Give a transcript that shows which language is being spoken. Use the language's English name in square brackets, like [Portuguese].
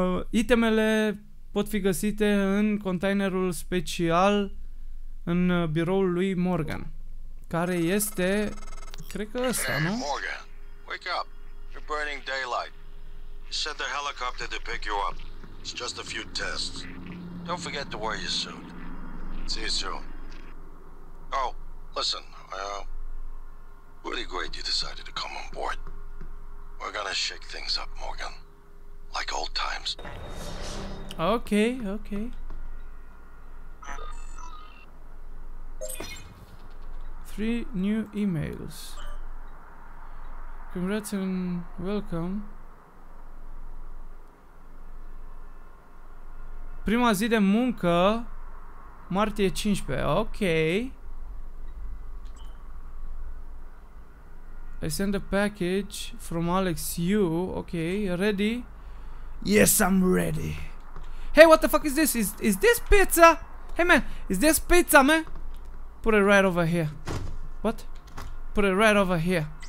[Romanian] Itemele pot fi găsite în containerul special în biroul lui Morgan, care este, cred că ăsta, nu? [English] Hey, Morgan, wake up. You're burning daylight. You sent the helicopter to pick you up. It's just a few tests. Don't forget to wear your suit. See you soon. Oh, listen, really great you decided to come on board. We're gonna shake things up, Morgan. Like old times. Okay, okay. Three new emails. Congrats and welcome. [Romanian] Prima zi de muncă, martie 15, ok. [English] I send a package from Alex Yu, ok, ready? Yes, I'm ready. Hey, what the fuck is this? Is this pizza? Hey man, is this pizza, man? Put it right over here. What? Put it right over here.